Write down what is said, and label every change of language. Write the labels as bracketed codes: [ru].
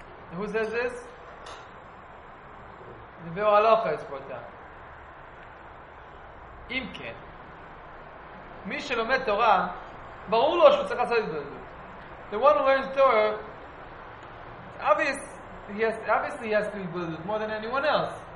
[en] And who says this? דבר הלוכה is brought down. [he] אם כן, מי שלומד תורה, ברור לו שהוא צריך לעשות את זה. [en] The one who learns Torah, obviously he has to be bothered more than anyone else.